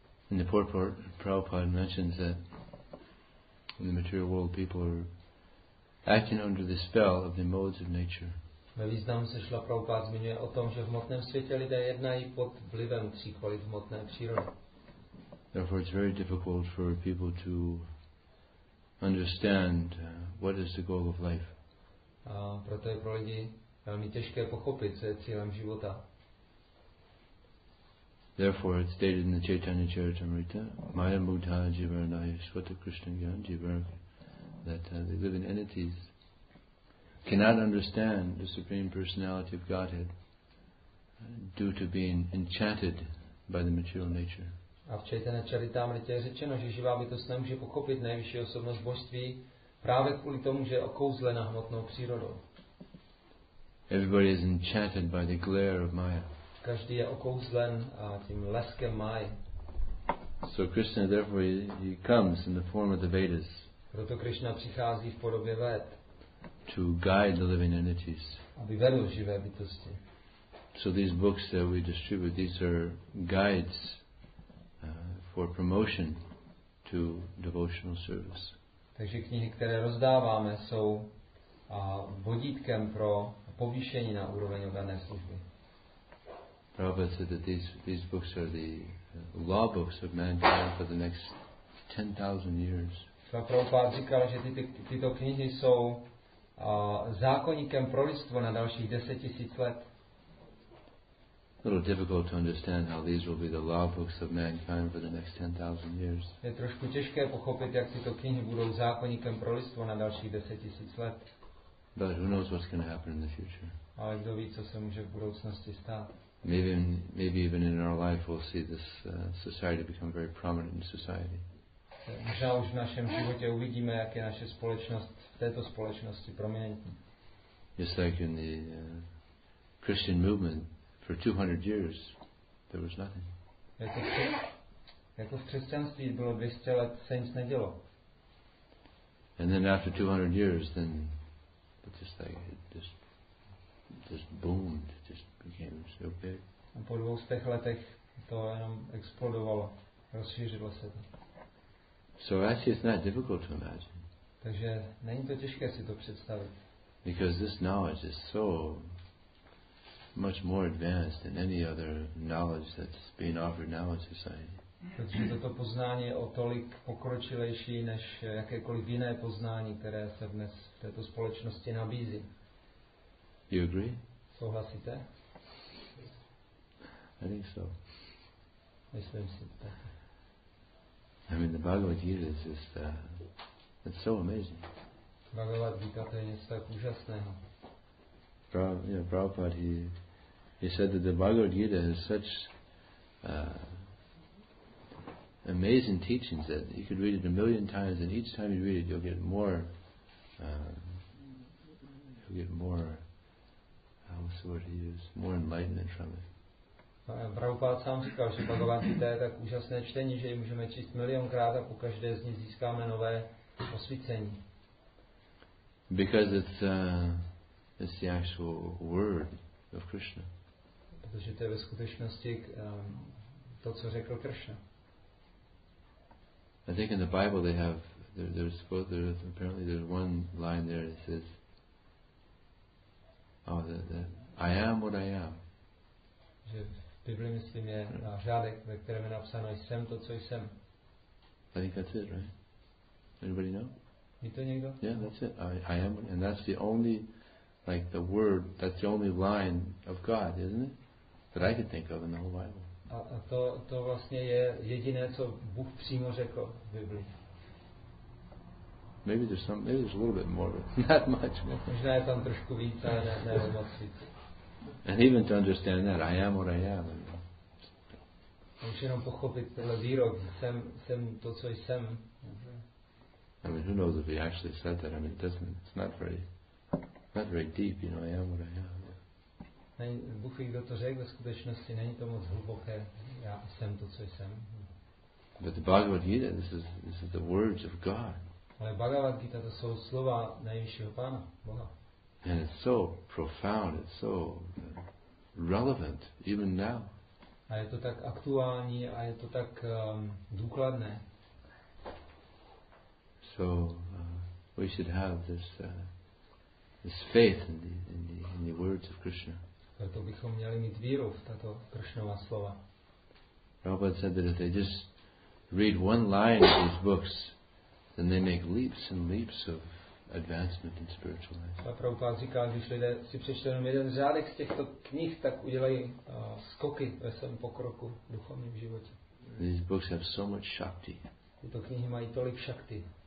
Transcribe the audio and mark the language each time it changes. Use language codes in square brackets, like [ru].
[en] In the purport, Prabhupada mentions that in the material world, people are acting under the spell of the modes of nature. [cs] Ve významu se Šrila Prabhupáda zmiňuje o tom, že v hmotném světě lidé jednají pod vlivem tří kvalit hmotné přírody. [en] Therefore, it's very difficult for people to understand what is the goal of life. [cs] A proto je pro lidi velmi těžké pochopit, co je cílem života. [en] Therefore, it's stated in the Chaitanya Charitamrita, [bn] Maya Mudha Jivaranaya Swata Krishna Gyan Jivaranaya, [en] that the living entities cannot understand the Supreme Personality of Godhead due to being enchanted by the material nature. [cs] A v Chaitanya Charitamrita je řečeno, že živá bytost nemůže pochopit nejvyšší osobnost božství právě kvůli tomu, že je okouzlena hmotnou přírodou. [en] Everybody is enchanted by the glare of Maya. [cs] Každý je okouzlen tím leskem Maya. [en] So Krishna therefore he comes in the form of the Vedas. [cs] Proto Krishna přichází v podobě Ved. [en] To guide the living entities. [cs] Aby vedl živé bytosti. [en] So these books that we distribute, these are guides for promotion to devotional service. [cs] Takže knihy, které rozdáváme, jsou vodítkem pro povýšení na úroveň obrané služby. [en] Prabhupada said that these books are the law books of mankind for the next 10,000 years. [cs] Sva Prabhupada říkal, že tyto knihy jsou zákonníkem pro lidstvo na dalších 10,000 let. [en] A little difficult to understand how these will be the law books of mankind for the next 10,000 years. [cs] Je trošku těžké pochopit, jak tyto knihy budou zákonníkem pro lidstvo na dalších 10,000 let. [en] But who knows what's going to happen in the future? [cs] Ale kdo ví, co se může v budoucnosti stát? [en] Maybe even in our life we'll see this society become very prominent in society. [cs] Možná už v našem životě uvidíme, jak je naše společnost v této společnosti prominentní. [en] Just like in the Christian movement. For 200 years, there was nothing. [cs] Jako v křesťanství bylo 200 let, se nic nedělo. [en] And then after 200 years, then it just boomed, it just became so big. [cs] A po 200 letech to jenom explodovalo, rozšířilo se to. [en] So actually, it's not difficult to imagine. [cs] Takže není to těžké si to představit. [en] Because this knowledge is so much more advanced than any other knowledge that's being offered now in society. [cs] Protože toto poznání je o tolik pokročilejší než jakékoliv jiné poznání, které se dnes v této společnosti nabízí. [en] You agree? [cs] Souhlasíte? [en] I think so. [cs] Myslím si tak. [en] I mean, the Bhagavad Gita is just it's so amazing. [cs] Bhagavad Gita je něco tak úžasného. [en] Prabhupada, he said that the Bhagavad Gita has such amazing teachings that you could read it a million times, and each time you read it, you'll get more enlightenment from it. [cs] Prabhupada sám říkal, že Bhagavad Gita je tak úžasné čtení, že ji můžeme číst milionkrát a po každé z nich získáme nové osvícení. [en] Because it's the actual word of Krishna. [cs] Protože to je ve skutečnosti to, co řekl Krishna. [en] I think in the Bible they have there's one line there that says, I am what I am. [cs] Že v Bibli myslím je řádek, ve kterém je napsáno, jsem to, co jsem. [en] I think that's it, right? Anybody know? [cs] Ví to někdo? [en] Yeah, that's it. I am, and that's the only, like the word, that's the only line of God, isn't it? That I could think of in the whole Bible. [cs] A to vlastně je jediné, co Bůh přímo řekl v Bibli. [en] Maybe there's a little bit more, but not much more. [cs] Možná je tam trošku víc, ale ne moc víc. [en] And even to understand that, I am what I am. [cs] A už jenom pochopit tenhle výrok, jsem to, co jsem. [en] I mean, who knows if he actually said that. I mean, it's not very deep, you know, I am what I am. [cs] Bůh ví, kdo to řekl, ve skutečnosti není to moc hluboké, já jsem to, co jsem. [en] But the Bhagavad Gita, this is the words of God. [cs] Ale Bhagavad Gita, to jsou slova nejvyššího Pána, Boha. [en] And it's so profound, it's so relevant, even now. [cs] A je to tak aktuální a je to tak důkladné. [en] So we should have this this faith in the words of Krishna. [cs] Proto bychom měli mít víru v tato Krishnova slova. [en] Prabhupada said that if they just read one line of these books, then they make leaps and leaps of advancement in spiritual life. [cs] Prabhupada říká, když lidé si přečtou jenom jeden řádek z těchto knih, tak udělají skoky ve svém pokroku v duchovním životě. [en] These books have so much shakti. [cs] Tyto knihy mají tolik šakty.